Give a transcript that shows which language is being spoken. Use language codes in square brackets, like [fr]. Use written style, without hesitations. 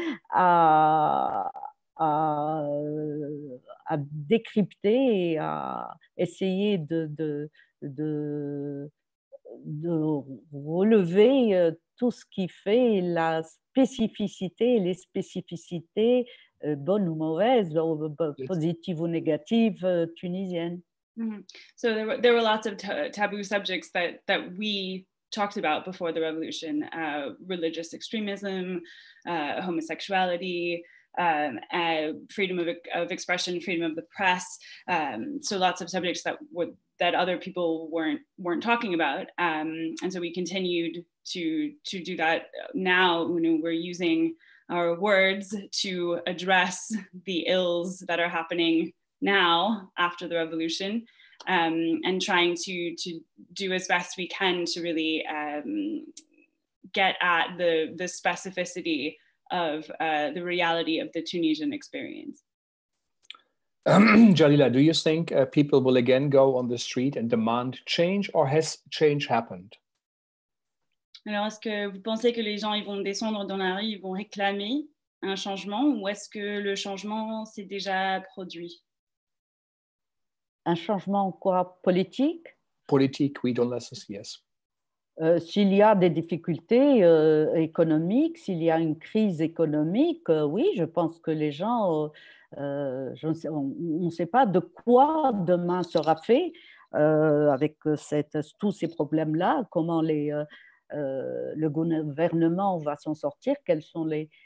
[fr] à décrypter et à essayer de relever tout ce qui fait la spécificité, les spécificités bonnes ou mauvaises, positives ou négatives tunisiennes. Mm-hmm. [en] So there were lots of taboo subjects that we talked about before the revolution, religious extremism, homosexuality, freedom of expression, freedom of the press. So lots of subjects that other people weren't talking about. And so we continued to do that now. You know, we're using our words to address the ills that are happening now after the revolution, and trying to do as best we can to really get at the specificity of the reality of the Tunisian experience. Jalila, do you think people will again go on the street and demand change, or has change happened? [fr] Alors, est-ce que vous pensez que les gens ils vont descendre dans la rue, ils vont réclamer un changement, ou est-ce que le changement s'est déjà produit? Un changement quoi, politique? Politique, oui, dans la société. S'il y a des difficultés économiques, s'il y a une crise économique, oui, je pense que les gens, on ne sait pas de quoi demain sera fait avec tous ces problèmes-là, comment le gouvernement va s'en sortir, quels sont les...